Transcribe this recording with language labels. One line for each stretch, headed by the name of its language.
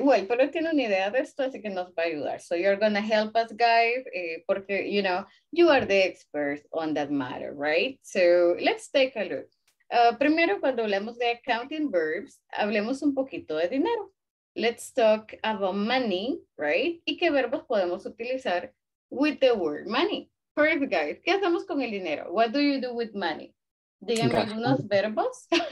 Spanish: Well, pero tiene una idea de esto, así que nos va a ayudar.
English: So you're going to help us, guy,
Spanish: porque,
English: you know, you are the expert on that matter, right? So let's take a look.
Spanish: Primero, cuando hablamos de accounting verbs, hablemos un poquito de dinero.
English: Let's talk about money, right?
Spanish: ¿Y qué verbos podemos utilizar
English: with the word money? Perfect, guys.
Spanish: ¿Qué hacemos con el dinero?
English: What do you do with money?
Spanish: Díganme algunos verbos.